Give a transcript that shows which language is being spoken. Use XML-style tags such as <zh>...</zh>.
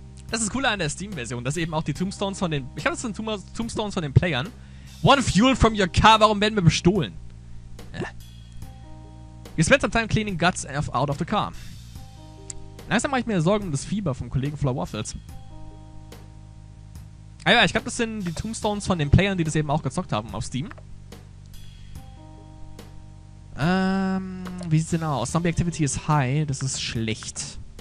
<de>Das ist cool an der Steam-Version, dass eben auch die Tombstones von den... Ich habe das sind Tombstones von den Playern.</de> <en>One fuel from your car.</en> <de>Warum werden wir bestohlen?</de> <en>You spent some time cleaning guts out of the car.</en> <de>Langsam mache ich mir Sorgen um das Fieber vom Kollegen Flower Waffles. Ah ja, ich glaube, das sind die Tombstones von den Playern, die das eben auch gezockt haben auf Steam. Wie sieht's denn aus?</de> <en>Zombie Activity is high.</en> <de>Das ist schlecht.</de>